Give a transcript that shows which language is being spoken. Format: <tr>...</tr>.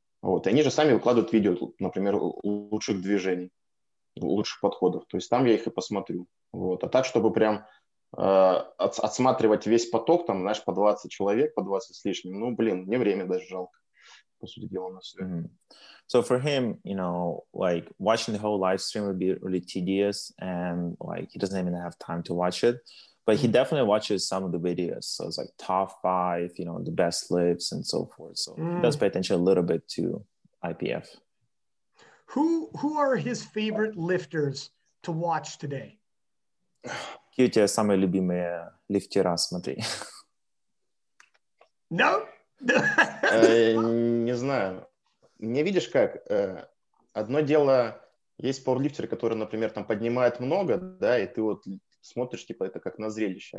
<ru>Вот, и они же сами выкладывают видео, например, лучших движений, лучших подходов. То есть там я их и посмотрю. Вот. А так, чтобы прям отсматривать весь поток, там, знаешь, по 20 человек, по 20 с лишним, ну, блин, мне время даже жалко, по сути дела, на все. Mm-hmm.</ru> <en>So for him, you know, like, watching the whole live stream would be really tedious, and, like, he doesn't even have time to watch it. But he definitely watches some of the videos. So it's like top five, you know, the best lifts and so forth. So he does pay attention a little bit to IPF. Who are his favorite lifters to watch today?</en> <ru>Кто у тебя самые любимые лифтера смотри?</ru> <en>No?</en> <ru>Не знаю. Не видишь как? Одно дело, есть пауэрлифтеры, которые, например, там поднимают много, да, и ты вот смотришь, типа, это как на зрелище.</ru>